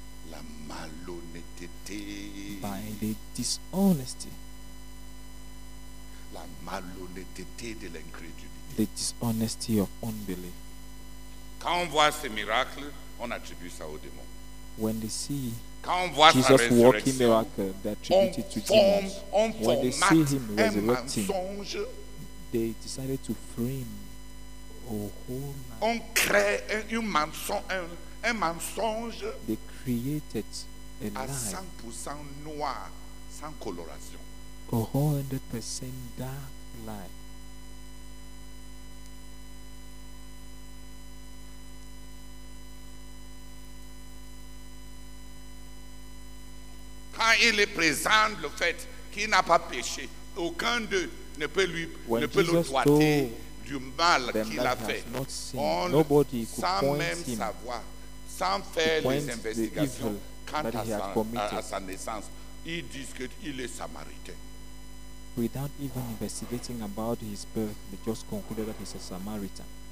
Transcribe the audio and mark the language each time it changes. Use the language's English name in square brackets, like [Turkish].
[French] La malhonnêteté. [English] By the dishonesty. [French] La malhonnêteté de l'incrédulité. [English] The dishonesty of unbelief. [French] Quand on voit ces miracles, on attribue ça aux démons. [English] When they see Jesus working miracle, they attribute it to demons. When they see him resurrecting, they decided to frame a whole life. [French] On crée un mensonge. [English] They created a lie. [French] 100% noir, sans coloration. [English] A 100% dark lie. [French] Quand il est présent, le fait qu'il n'a pas péché, aucun d'eux ne peut lui doiter du mal qu'il a fait. Sans même savoir, sans faire les investigations quant à sa naissance, ils disent qu'il est samaritain. [English] Without even investigating about his birth, they just concluded that he's a Samaritan.